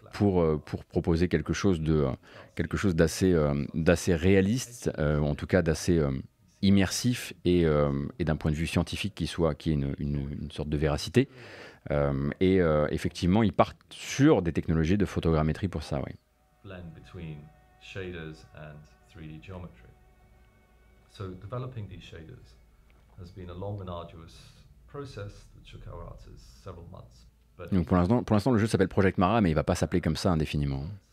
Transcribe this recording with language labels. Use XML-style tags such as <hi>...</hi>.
<fr>Pour proposer quelque chose d'assez réaliste, en tout cas d'assez immersif et d'un point de vue scientifique qui est une sorte de véracité. Effectivement, ils partent sur des technologies de photogrammétrie pour ça, oui.</fr> <en>Blend between shaders and 3D geometry. So developing these shaders has been a long and arduous process that took our artists several months.</en> <fr>Donc pour l'instant, le jeu s'appelle Project Mara, mais il ne va pas s'appeler comme ça indéfiniment.</fr>